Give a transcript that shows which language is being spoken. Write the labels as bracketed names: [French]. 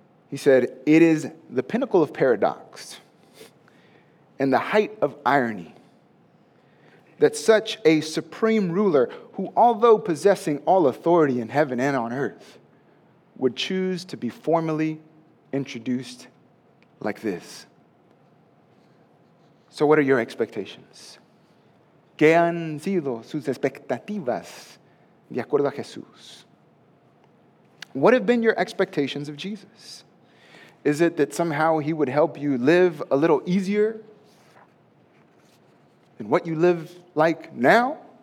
[English] He said, "It is the pinnacle of paradox and the height of irony that such a supreme ruler, who although possessing all authority in heaven and on earth, would choose to be formally introduced like this." So what are your expectations? [Spanish] ¿Qué han sido sus expectativas de acuerdo a Jesús? [English] What have been your expectations of Jesus? Is it that somehow he would help you live a little easier than what you live like now?